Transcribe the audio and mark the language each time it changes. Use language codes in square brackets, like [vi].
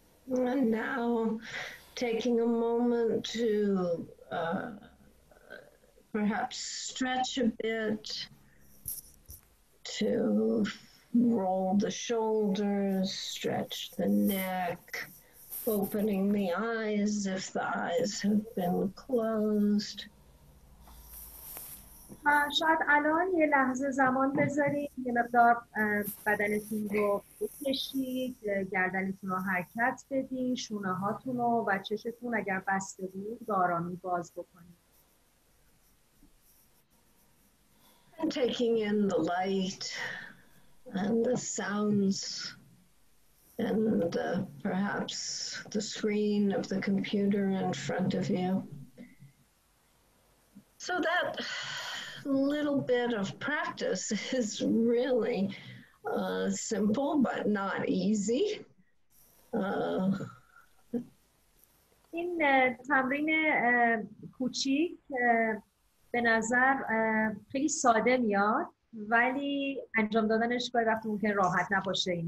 [en] And now, taking a moment to perhaps stretch a bit, to roll the shoulders, stretch the neck, opening the eyes if the eyes have been closed. [fa] شاید الان یه لحظه زمان بذارید، یه مقدار بدنتون رو بکشید، گردنتون رو حرکت بدید، شونه هاتون رو و چشتون اگر بسته بود به آرامی باز بکنید. [en] And taking in the light and the sounds and the, perhaps the screen of the computer in front of you. So that little bit of practice is really simple but not easy. [fa] این تمرین کوچیک به نظر خیلی ساده میاد ولی انجام دادنش گاهی وقت ممکن راحت نباشه.